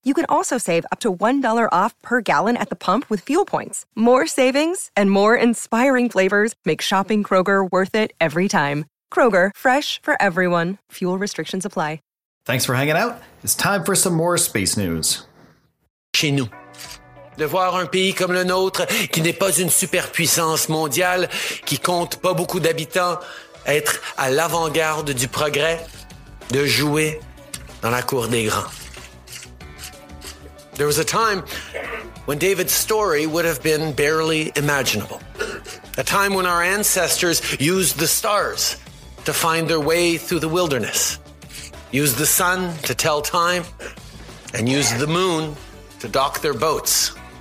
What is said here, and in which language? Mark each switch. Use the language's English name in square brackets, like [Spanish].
[English] You can also save up to $1 off per gallon at the pump with fuel points. More savings and more inspiring flavors make shopping Kroger worth it every time. Kroger, fresh for everyone. Fuel restrictions apply. Thanks for hanging out. It's time for some more space news. [French] Chez nous, de voir un pays comme le nôtre, qui n'est pas une superpuissance mondiale, qui compte pas beaucoup d'habitants, être à l'avant-garde du progrès, de jouer dans la cour des grands. [English] There was a time when David's story would have been barely imaginable. A time when our ancestors used the stars to find their way through the wilderness. Use the sun to tell time, and use the moon to dock their boats.